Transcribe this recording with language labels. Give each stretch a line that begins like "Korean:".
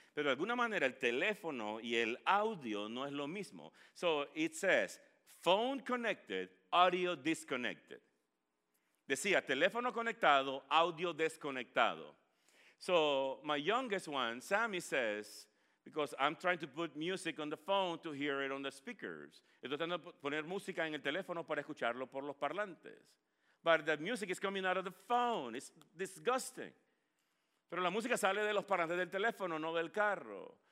Spanish: Pero de alguna manera el teléfono y el audio no es lo mismo.
English: So it says, phone connected, audio disconnected.
Spanish: Decía, teléfono conectado, audio desconectado.
English: So my youngest one, Sammy, says, because I'm trying to put music on the phone to hear it on the speakers.
Spanish: Estoy tratando de poner música en el teléfono para escucharlo por los parlantes.
English: But the music is coming out of the phone. It's disgusting.
Spanish: Pero la música sale de los parlantes del teléfono, no del carro.